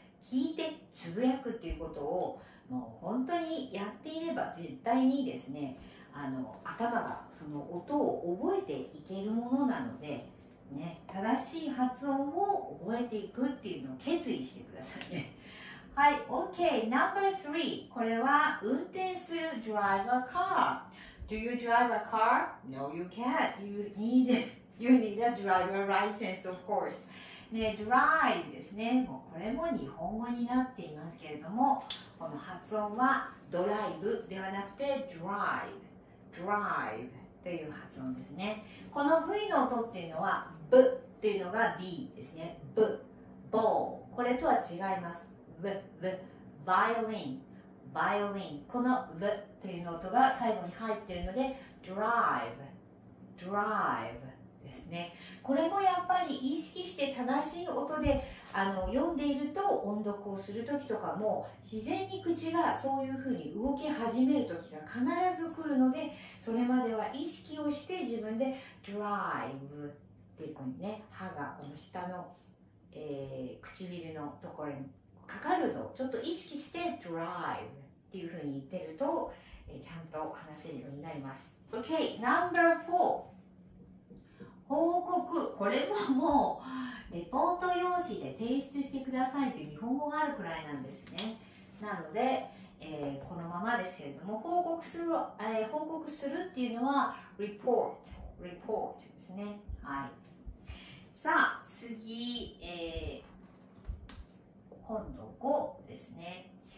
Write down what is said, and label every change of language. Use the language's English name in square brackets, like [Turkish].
[Japanese] 聞いてつぶやくっていうことをもう本当にやっていれば絶対にですね、頭がその音を覚えていけるものなので、ね、正しい発音を覚えていくっていうのを決意してくださいね。はい、OK、Number 3、これは運転する [English] drive a car。 Do you drive a car? No, you can't. You need a driver license, of course. [Japanese] ね、ドライブですね。もうこれも日本語になっていますけれども、この発音はドライブではなくてドライブ、ドライブという発音ですね。この V の音っていうのは、ブっていうのが B ですね。ブ、ボー。これとは違います。ブ、ブ、バイオリン、バイオリン。このブっていうの音が最後に入っているので、ドライブ、ドライブ。これもやっぱり意識して正しい音で読んでいると、音読をするときとかも自然に口がそういうふうに動き始めるときが必ず来るので、それまでは意識をして自分でドライブっていうふうにね、歯がこの下の、唇のところにかかるのをちょっと意識してドライブっていうふうに言ってると、ちゃんと話せるようになります。 OK、 Number 4、報告。これももうレポート用紙で提出してくださいという日本語があるくらいなんですね。なので、このままですけれども、報告する、報告するっていうのは report、report ですね。はい。さあ、次、今度5ですね。